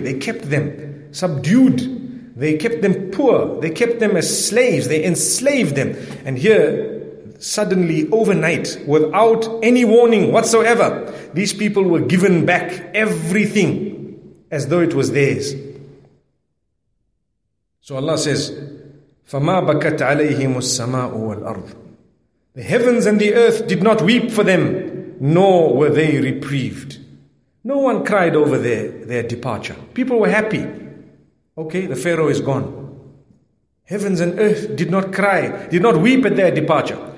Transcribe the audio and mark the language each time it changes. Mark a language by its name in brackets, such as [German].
[English] They kept them subdued. They kept them poor. They kept them as slaves. They enslaved them. And here, suddenly, overnight, without any warning whatsoever, these people were given back everything as though it was theirs. So Allah says, [Arabic] فَمَا بَكَتْ عَلَيْهِمُ السَّمَاءُ وَالْأَرْضُ. [English] The heavens and the earth did not weep for them, nor were they reprieved. No one cried over their departure. People were happy. Okay, the Pharaoh is gone. Heavens and earth did not cry, did not weep at their departure.